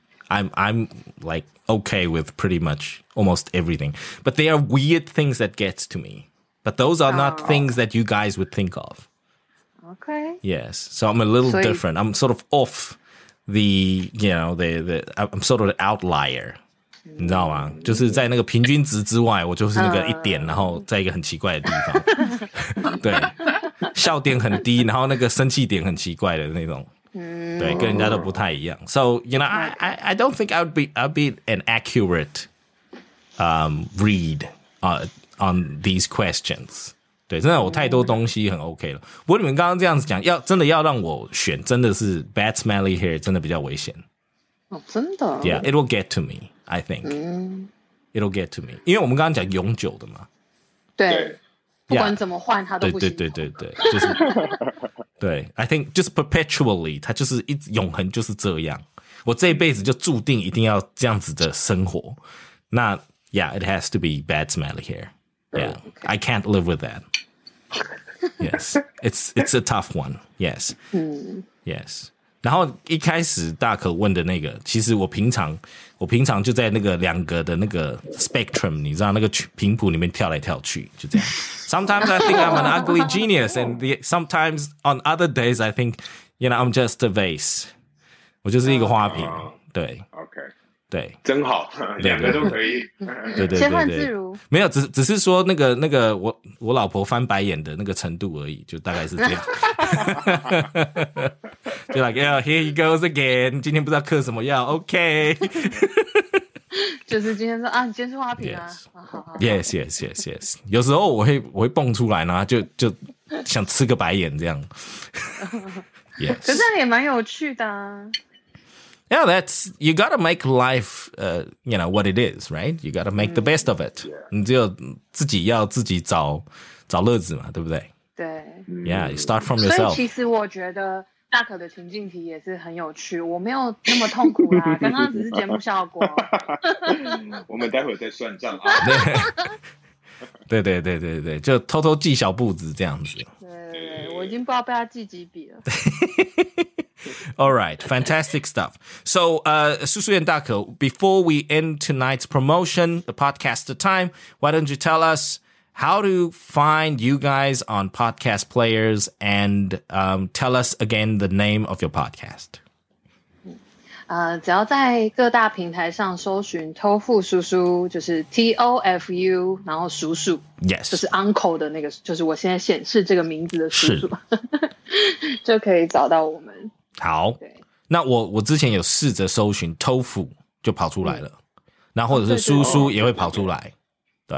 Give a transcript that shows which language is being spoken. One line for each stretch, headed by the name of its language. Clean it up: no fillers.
English: I'm like okay with pretty much almost everything. But there are weird things that gets to me. But those are not things that you guys would think of. Okay. Yes. So I'm a little different. I'm sort of off. The, you know, the I'm sort of an outlier,
Chinese: 你知道吗？就是在那个平均值之外，我就是那个一点，然后在一个很奇怪的地方，对，笑点很低，然后那个生气点很奇怪的那种，对，跟人家都不太一样。
English: So, you know, I don't think I'd be an accurate read on these questions.
Chinese: 对，真的我太多东西很 OK 了。不过你们刚刚这样子讲，要真的要让我选，真的是
English: bad smelly hair
Chinese: 真的比较危险。哦，真的。
English: Yeah, it will get to me. I think. It will get to me.
Chinese: 因为我们刚刚讲永久的嘛。对。 Yeah, 不管怎么换，它都不行。对对对对对，就是。对 ，
English: I think just perpetually，
Chinese: 它就是一直永恒就是这样。我这一辈子就注定一定要这样子的生活。
English: 那 ，Yeah, it has to be bad smelly hair. Yeah, I can't live with that. Yes, it's a tough one. Yes, yes.
Chinese: 然后一开始大可问的那个，其实我平常就在那个两个的那个 spectrum， 你知道那个频谱里面跳来跳去，就这样。
English: Sometimes I think I'm an ugly genius, and sometimes on other days I think, you know, I'm just a vase.
Chinese: 我就是一个花瓶，对。
English: Okay.
Chinese: 对，真好，两个都可以。对对对对，切换自如。没有，只是说那个我老婆翻白眼的那个程度而已，就大概是这样。
English: 就 like yeah, here he goes again，
Chinese: 今天不知道嗑什么药
English: ，OK 。
Chinese: 就是今天说啊，你今天是花瓶啊。 Yes, yes, yes, yes。有时候我会蹦出来呢，就想吃个白眼这样。
English: Yes，
Chinese: 可是也蛮有趣的啊。
English: Yeah, that's, you gotta make life, you know, what it is, right? You gotta make the best of it. Yeah.
Chinese: 你只有自己要自己找乐子嘛，对不对？对。
English: Yeah, you start from yourself.
Chinese: 所以其实我觉得大可的情境题也是很有趣，我没有那么痛苦啦，刚刚只是节目效果。我们待会再算账啊。对对对对对，就偷偷记小步子这样子。对，我已经不知道被他记几笔了。
English: All right, fantastic stuff. So, Susu and Daka, before we end tonight's promotion, the podcast time, why don't you tell us how to find you guys on podcast players and tell us again the name of your podcast?
Chinese: 只要在各大平台上搜寻偷富叔叔，就是 TOFU， 然后叔叔
English: ，yes，
Chinese: 就是 uncle 的那个，就是我现在显示这个名字的叔叔，就可以找到我们。好，对，那我之前有试着搜寻偷富，就跑出来了，然后或者是叔叔也会跑出来，对，